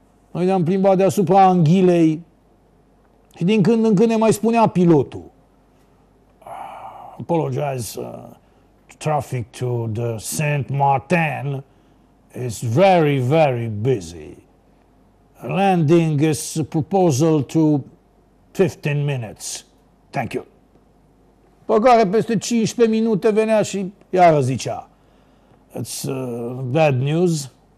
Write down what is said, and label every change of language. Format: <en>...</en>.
<ro>Noi ne-am plimbat deasupra Anghilei și din când în când ne mai spunea pilotul:</ro> <en>apologize, traffic to the Saint Martin is very, very busy. Landing is a proposal to 15 minutes. Thank you.</en> <ro>După care peste 15 minute venea și iară zicea:</ro> <en>it's bad news.</en>